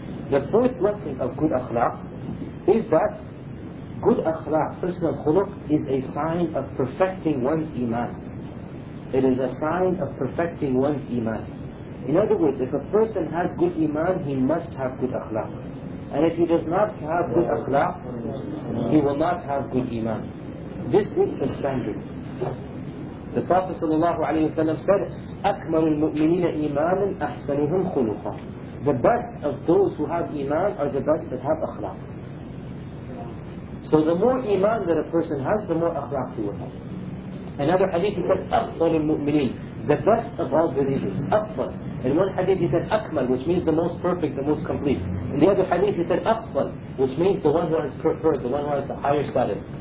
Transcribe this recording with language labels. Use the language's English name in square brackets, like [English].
[English] The fourth blessing of good akhlaq is that good akhlaq, personal khuluq, is a sign of perfecting one's iman. It is a sign of perfecting one's iman. In other words, if a person has good iman, he must have good akhlaq. And if he does not have good akhlaq, he will not have good iman. This is the standard. The Prophet ﷺ said, [Arabic] أَكْمَلُ الْمُؤْمِنِينَ إِيمَانٌ أَحْسَنُهُمْ خُلُقًا. [English] The best of those who have iman are the best that have akhlaq. So the more iman that a person has, the more akhlaq he will have. Another hadith he said, [Arabic] أفضل المؤمنين, [English] the best of all believers. [Arabic] أفضل. [English] In one hadith he said, أكمل, which means the most perfect, the most complete. In the other hadith he said, أفضل, which means the one who has preferred, the one who has the higher status.